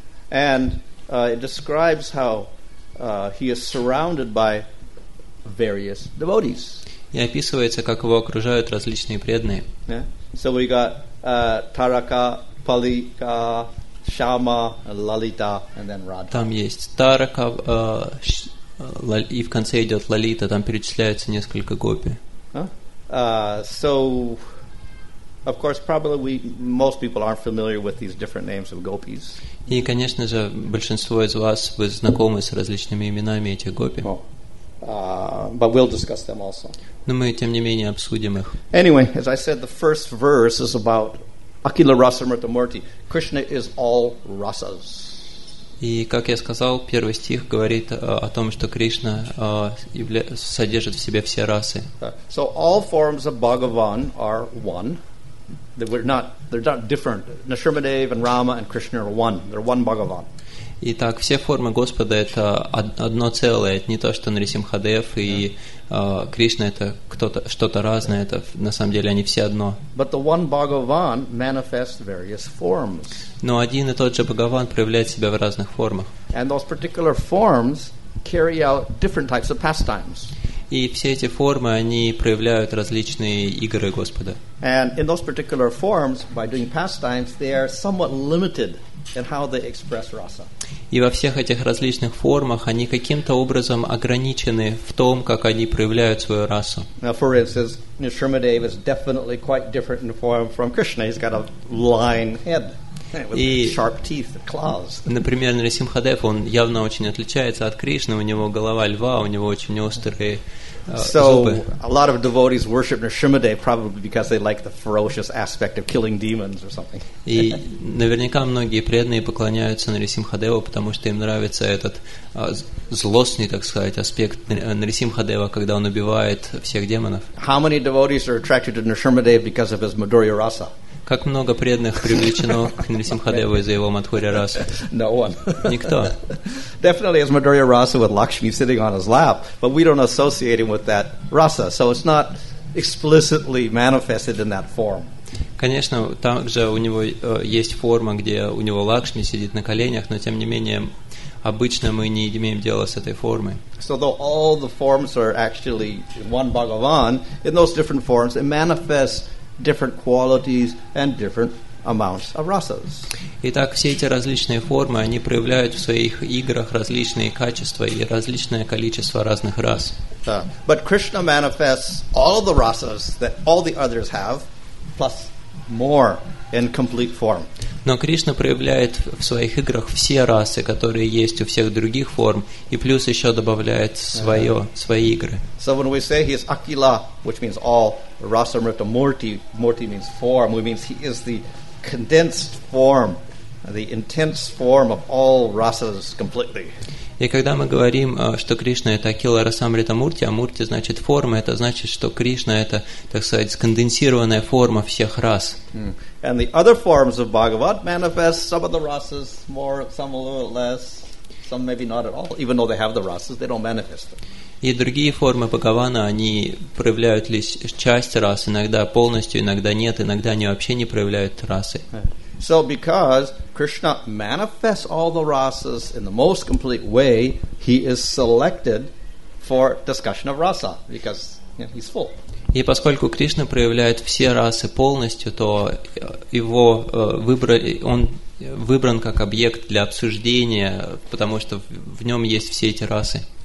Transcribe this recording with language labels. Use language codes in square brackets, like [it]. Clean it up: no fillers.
[en] And it describes how he is surrounded by various devotees. [ru] И описывается, как его окружают различные преданные. [en] So we got Taraka, Palika, Shama, Lalita, and then Radha. [ru] Там есть Тарака, и в конце идет Лалита, там перечисляются несколько гопи. [en] So, of course, probably most people aren't familiar with these different names of gopis. [ru] И, конечно же, большинство из вас вы знакомы с различными именами этих гопи. [en] But we'll discuss them also. [ru] Но мы, тем не менее, обсудим их. [en] Anyway, as I said, the first verse is about Akila Rasamrita Murti. Krishna is all rasas. [ru] И, как я сказал, первый стих говорит о том, что Кришна содержит в себе все расы. [en] So all forms of Bhagavan are one. They're not different. Nashrimadev and Rama and Krishna are one. They're one Bhagavan. [ru] Итак, все формы Господа – это одно целое, это не то, что Нарисимхадев и Кришна – это кто-то, что-то разное, это на самом деле они все одно. [en] But the one Bhagavan manifests various forms. [ru] Но один и тот же Бхагаван проявляет себя в разных формах. [en] And those particular forms carry out different types of pastimes. [ru] И все эти формы, они проявляют различные игры Господа. [en] And in those particular forms, by doing pastimes, they are somewhat limited in how they express rasa. [ru] И во всех этих различных формах они каким-то образом ограничены в том, как они проявляют свою расу. [en] Now, for instance, Nishrimadev is definitely quite different in form from Krishna. He's got a lion head with sharp teeth and claws. [ru] Например, Нарисимхадев, он явно очень отличается от Кришны. У него голова льва, у него очень острые зубы. [en] So, a lot of devotees worship Nishrimadev probably because they like the ferocious aspect of killing demons or something. [ru] И наверняка многие преданные поклоняются Нарисимхадеву, потому что им нравится этот злостный, так сказать, аспект Нарисимхадева, когда он убивает всех демонов. [en] How many devotees are attracted to Nishrimadev because of his Madhurya Rasa? [ru] Как много преданных привлечено к Нарисимхадеву из-за его Мадхурья Расы? [en] No one. [ru] Никто. [en] Definitely is Madhurya Rasa with Lakshmi sitting on his lap, but we don't associate him with that rasa, so it's not explicitly manifested in that form. [ru] Конечно, также у него есть форма, где у него Лакшми сидит на коленях, но тем не менее обычно мы не имеем дела с этой формой. [en] So though all the forms are actually one Bhagavan, in those different forms it manifests different qualities and different amounts of rasas. [ru] Итак, все эти различные формы, они проявляют в своих играх различные качества и различное количество разных рас. [en] But Krishna manifests all the rasas that all the others have, plus more in complete form. [ru] Но Кришна проявляет в своих играх все расы, которые есть у всех других форм, и плюс еще добавляет свое, свои игры. [en] So when we say he is Akila, which means all Rasamrita Murti, Murti means form, we mean he is the condensed form, the intense form of all rasas completely. [ru] И когда мы говорим, что Кришна это Акила Расамрита Мурти, а Мурти значит форма, это значит, что Кришна это, так сказать, сконденсированная форма всех рас. [en] And the other forms of Bhagavad manifest some of the rasas more, some a little less, some maybe not at all, even though they have the rasas, they don't manifest them. [ru] И другие формы Бхагавана, они проявляют лишь часть рас, иногда полностью, иногда нет, иногда они вообще не проявляют расы. [en] So because Krishna manifests all the rasas in the most complete way, he is selected for discussion of rasa, because you know, he's full. [ru] И поскольку Кришна проявляет все расы полностью, то его он выбран как объект для обсуждения, потому что в нем есть все эти расы.